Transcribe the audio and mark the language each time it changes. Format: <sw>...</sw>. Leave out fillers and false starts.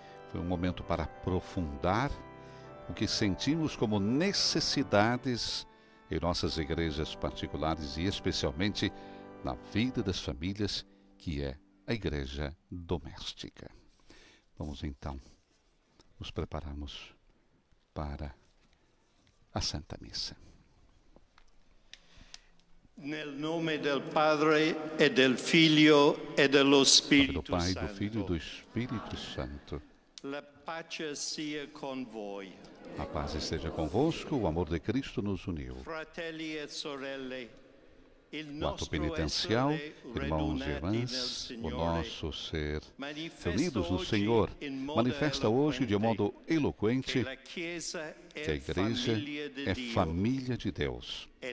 <pt>Foi um momento para aprofundar o que sentimos como necessidades em nossas igrejas particulares e especialmente na vida das famílias, que é a igreja doméstica. Vamos então nos prepararmos para a Santa Missa.</pt> <it>Nel nome del Padre e del Figlio e dello Spirito Santo.</it> <pt>Do Pai, do Filho e do Espírito Santo.</pt> <it>La pace sia con voi.</it> <pt>A paz esteja convosco, o amor de Cristo nos uniu.</pt> <it>Fratelli e sorelle,</it> <pt>o ato penitencial, irmãos e irmãs, o nosso ser reunidos no Senhor, manifesta hoje de modo eloquente que a Igreja é família de Deus.</pt>